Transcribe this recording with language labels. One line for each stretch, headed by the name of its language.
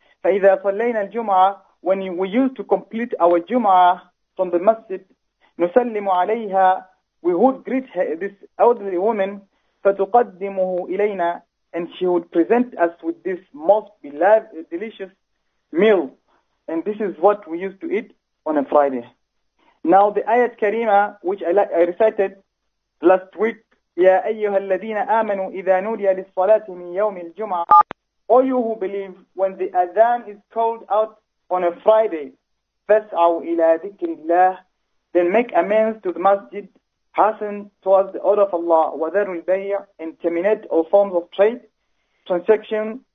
Arabic: فَإِذَا صَلَّيْنَا الْجُمْعَةِ,
English: when we used to complete our Jum'ah from the masjid,
Arabic: نُسَلِّمُ عَلَيْهَا,
English: we would greet her, this elderly woman,
Arabic: فَتُقَدِّمُهُ إِلَيْنَا,
English: and she would present us with this most beloved, delicious meal. And this is what we used to eat on a Friday. Now the ayat karima, which I recited last week,
Arabic: يا أيها الذين آمنوا إذا نودي للصلاة من يوم الجمعة.
English: All you who believe, when the Adhan is called out on a Friday,
Arabic: فاسعوا إلى ذكر الله,
English: then make amends to the masjid, hasten towards the order of Allah,
Arabic: وذروا البيع,
English: and terminate all forms of trade, transaction,